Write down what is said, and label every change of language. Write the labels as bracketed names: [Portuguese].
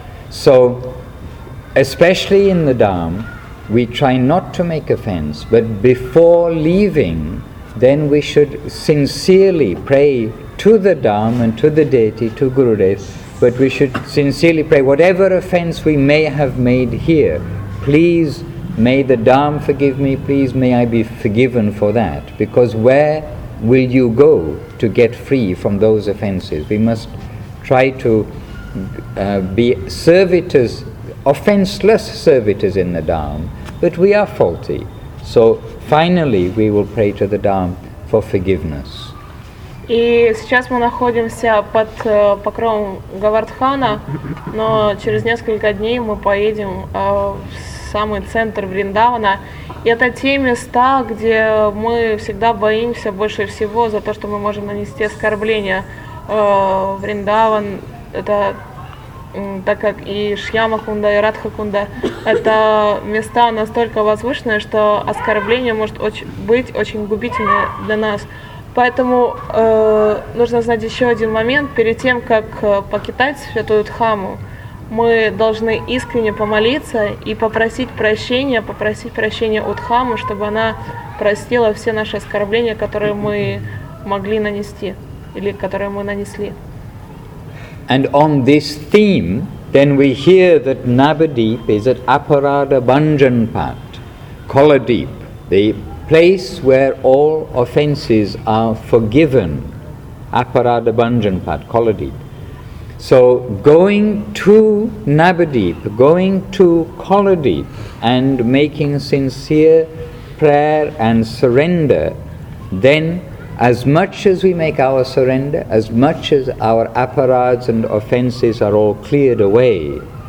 [English] So, especially in the Dharma, we try not to make offense, but before leaving, then we should sincerely pray to the Dharma and to the deity, to Gurudev, but we should sincerely pray, whatever offense we may have made here, please may the Dharma forgive me, please may I be forgiven for that, because where will you go to get free from those offenses? We must try to be servitors, offenseless servitors in the Dharma, but we are faulty. So finally we will pray to the Dharma for forgiveness. [Russian] И сейчас мы находимся под покровом Говардхана, но через несколько дней мы поедем в самый центр Вриндавана. И это те места, где мы всегда боимся больше всего за то, что мы можем нанести оскорбление. Вриндаван, это так как и Шьямакунда, и Радхакунда, это места настолько возвышенные, что оскорбление может быть очень губительное для нас. Поэтому нужно знать еще один момент. Перед тем, как покидать святую Дхаму, мы должны искренне помолиться и попросить прощения у Дхамы, чтобы она простила все наши оскорбления, которые мы могли нанести или которые мы нанесли. [English] And on this theme, then we hear that Navadvip is at Aparada Banjanpat, Koladip, the place where all offenses are forgiven. Aparada Banjanpat, Koladip. So going to Navadvip, going to Koladip and making sincere prayer and surrender, then as much as we make our surrender, as much as our aparads and offenses are all cleared away.